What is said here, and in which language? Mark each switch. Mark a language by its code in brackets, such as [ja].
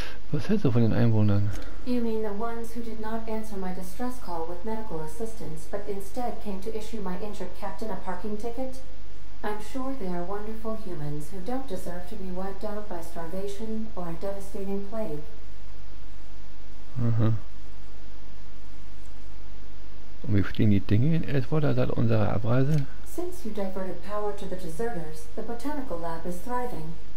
[de] Was hältst du von den Einwohnern? [en] You mean the ones who did not answer my distress call with medical assistance, but instead came to issue my injured captain a parking ticket? I'm sure they are wonderful humans who don't deserve to be wiped out by starvation or a devastating plague. [de] Mhm. Und wie stehen die Dinge in Edgewater seit unserer Abreise? [en] Since you diverted power to the deserters, the botanical lab is thriving.